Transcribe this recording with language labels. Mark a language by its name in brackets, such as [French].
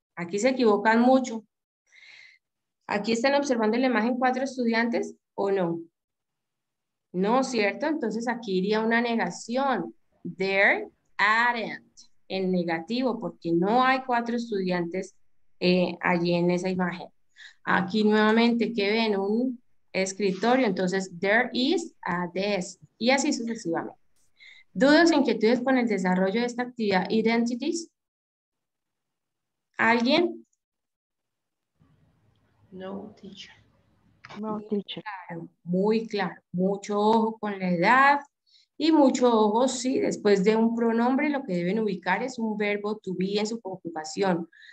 [Spanish] Aquí se equivocan mucho. ¿Aquí están observando la imagen cuatro estudiantes o no? No, ¿cierto? Entonces aquí iría una negación. [English] There aren't, [Spanish] en negativo, porque no hay cuatro estudiantes allí en esa imagen. Aquí nuevamente, ¿qué ven? Un escritorio. Entonces, [English] there is a desk. [Spanish] Y así sucesivamente. ¿Dudas, inquietudes con el desarrollo de esta actividad? ¿Identities? ¿Alguien? [English] No, teacher. [Spanish] Muy claro, mucho ojo con la edad y mucho ojo, sí, después de un pronombre lo que deben ubicar es un verbo to be en su conjugación.